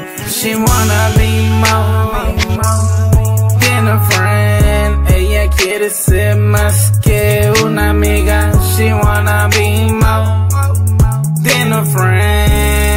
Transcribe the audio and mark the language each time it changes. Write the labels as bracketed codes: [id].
[en] She wanna be more than a friend. [es] Ella quiere ser más que una amiga. [en] She wanna be more than a friend.